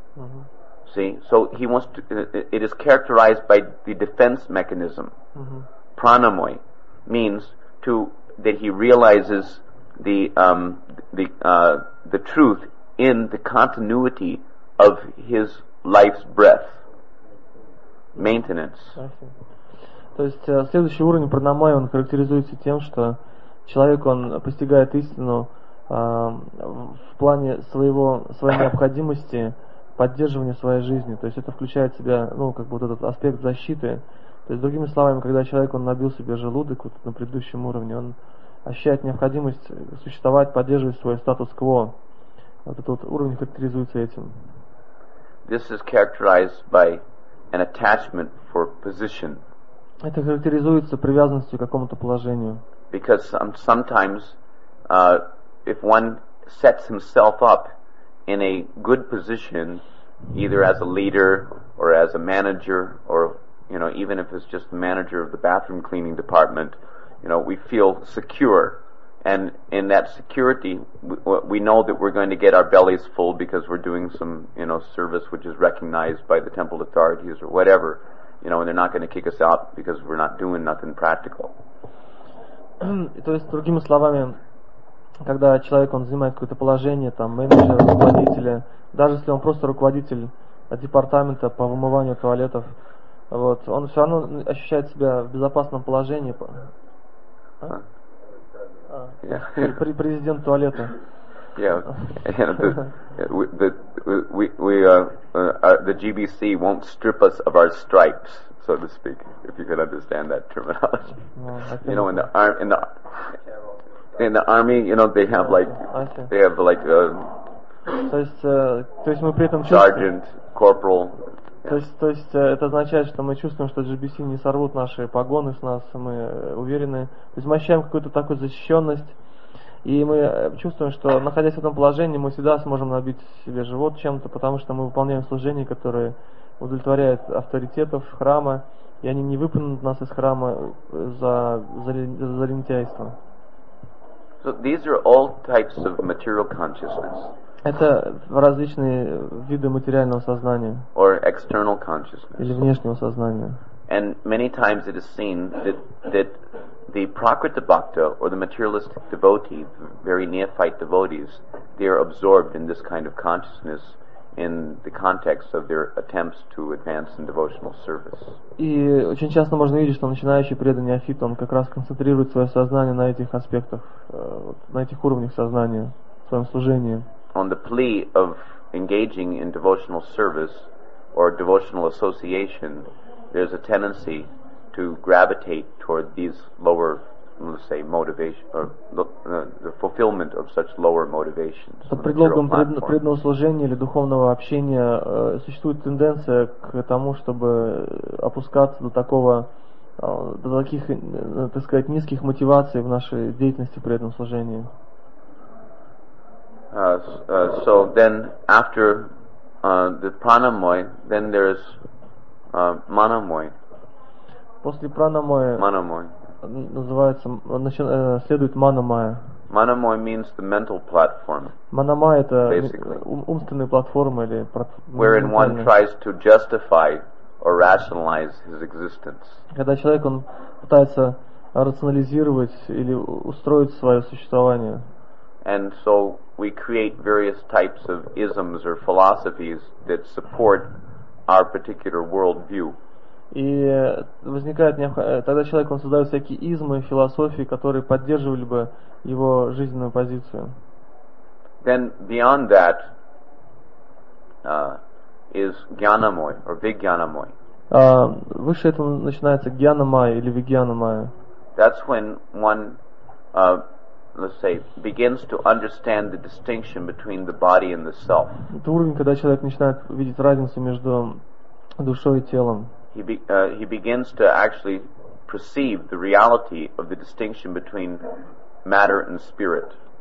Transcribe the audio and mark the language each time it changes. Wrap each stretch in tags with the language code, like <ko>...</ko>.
<en>Mm-hmm. See? So he wants to, it is characterized by the defense mechanism. Mm-hmm. Pranamoy means to, that he realizes the truth in the continuity of his life's breath. Maintenance.</en> <ru>То есть следующий уровень пранамайи, он характеризуется тем, что человек, он постигает истину в плане своего, своей необходимости поддерживания своей жизни. То есть это включает в себя, ну, как бы вот этот аспект защиты. То есть, другими словами, когда человек, он набил себе желудок вот на предыдущем уровне, он ощущает необходимость существовать, поддерживать свой статус-кво. Вот этот вот уровень характеризуется этим.</ru> <en>This is characterized by an attachment for position.</en> <ru>Это характеризуется привязанностью к какому-то положению.</ru> <en>Because sometimes if one sets himself up in a good position, either as a leader or as a manager, or, you know, even if it's just the manager of the bathroom cleaning department, you know, we feel secure. And in that security, we know that we're going to get our bellies full because we're doing some, you know, service which is recognized by the temple authorities or whatever, you know, and they're not going to kick us out because we're not doing nothing practical.</en> <ru>То есть, другими словами, когда человек, он занимает какое-то положение, там, менеджер, руководителя, даже если он просто руководитель департамента по вымыванию туалетов, вот, он все равно ощущает себя в безопасном положении. А?</ru> <en>Yeah.</en> <ru>Президент туалета.</ru> <en>Yeah. Yeah. The GBC won't strip us of our stripes, so to speak, if you can understand that terminology. You know, in the army, you know, they have like</en> <ru>то есть мы при этом</ru> <en>sergeant, corporal.</en> <ru>То есть это означает, что мы чувствуем, что GBC не сорвут наши погоны с нас, мы уверены. То есть мы ощущаем какую-то такую защищенность, и мы чувствуем, что находясь в этом положении, мы всегда сможем набить себе живот чем-то, потому что мы выполняем служение, которое удовлетворяет авторитетов храма, и они не выпнут нас из храма за лентяйство.</ru> <en>So these are all types of material consciousness.</en> <ru>Это различные виды материального сознания.</ru> <en>Or external consciousness.</en> <ru>Или внешнего сознания.</ru> <en>And many times it is seen that the Prakriti Bhakta or the materialistic devotee, very neophyte devotees, they are absorbed in this kind of consciousness in the context of their attempts to advance in devotional service.</en> <ru>И очень часто можно видеть, что начинающий преданный неофит, он как раз концентрирует свое сознание на этих аспектах, на этих уровнях сознания в своем служении.</ru> <en>On the plea of engaging in devotional service or devotional association, there's a tendency to gravitate toward these lower, let's say, the fulfillment of such lower motivations.</en> <ru>Под предлогом преданного служения или духовного общения существует тенденция к тому, чтобы опускаться до такого до таких, так сказать, низких мотиваций в нашей деятельности при этом служении.</ru> <en>So then after the pranamoy, then there is manamoy.</en> <ru>После пранамоя.</ru> <en>Manamoy.</en> <ru>Называется, следует манамая.</ru> <en>Manamoy means the mental platform.</en> <ru>Манамая — это умственная платформа или</ru> <en>wherein one tries to justify or rationalize his existence.</en> <ru>Когда человек он пытается рационализировать или устроить свое существование.</ru> <en>And so we create various types of isms or philosophies that support our particular worldview.</en> <ru>И возникает тогда человек он создает всякие измы, философии, которые поддерживали бы его жизненную позицию.</ru> <en>Then beyond that is gyanamoy or vigyanamoy.</en> <ru>Выше этого начинается гьянамай или вигьянамай.</ru> <en>That's when one, let's say, begins to understand the distinction between the body and the self.</en> <ru>Это уровень, когда человек начинает видеть разницу между душой и телом.</ru> <en>He begins to actually perceive the reality of the distinction between matter and spirit.</en>